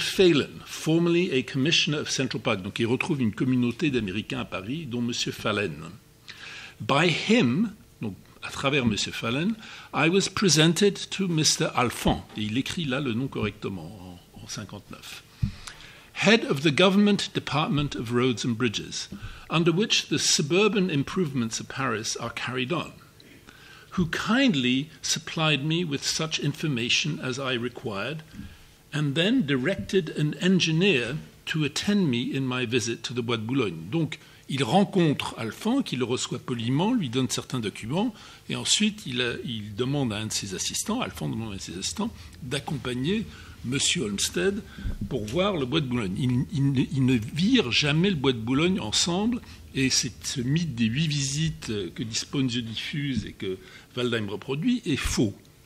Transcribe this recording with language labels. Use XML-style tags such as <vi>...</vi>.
<fr>Phelan,</fr> <en>formerly a commissioner of Central Park.</en> <fr>Donc il retrouve une communauté d'Américains à Paris, dont M. Phelan.</fr> <en>By him,</en> <fr>donc à travers M.</fr> <en>Phelan, I was presented to Mr. Alphan.</en> <fr>Et il écrit là le nom correctement en 59.</fr> <en>Head of the Government Department of Roads and Bridges, under which the suburban improvements of Paris are carried on, who kindly supplied me with such information as I required, and then directed an engineer to attend me in my visit to the Bois de Boulogne.</en> <fr>Donc, il rencontre Alphan, qui le reçoit poliment, lui donne certains documents, et ensuite il demande à un de ses assistants, Alphan demande à un de ses assistants, d'accompagner Monsieur Olmsted, pour voir le bois de Boulogne. Ils ne virent jamais le bois de Boulogne ensemble, et ce mythe des 8 visites que Disponzio diffuse et que Waldheim reproduit est faux.</fr>